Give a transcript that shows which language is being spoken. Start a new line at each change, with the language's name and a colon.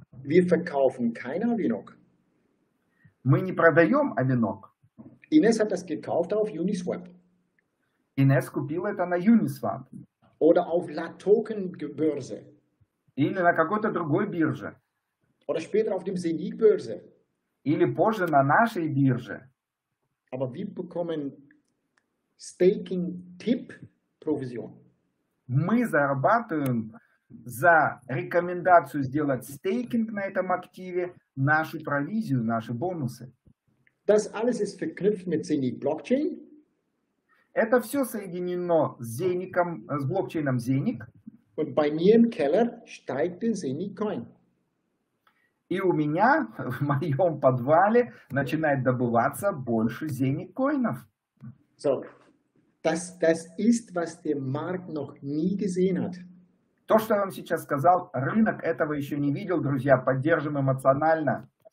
German: Wir verkaufen kein Avinok.
Russian: Мы не продаем Avinok.
German: Ines hat das gekauft auf Uniswap.
Russian: Ines купила это на Uniswap.
German: Oder auf LaToken-Börse.
Russian: Или на какой-то другой бирже.
German: Oder später auf dem Zenith-Börse.
Russian: Или позже на нашей бирже.
German: Aber wir bekommen Staking-Tip-Provision.
Russian: Мы зарабатываем за рекомендацию сделать стейкинг на этом активе нашу провизию, наши бонусы.
German: Das alles ist verknüpft mit Zenith Blockchain.
Russian: Это все соединено с Zenith, с блокчейном Zenith.
German: Und bei mir im Keller steigt der Zenith Coin.
Russian: И у меня в моем подвале начинает добываться больше Zenith Coins.
German: So, das ist, was der Markt noch nie gesehen hat.
Russian: То, что я вам сейчас сказал, рынок этого еще не видел, друзья. Поддержим эмоционально.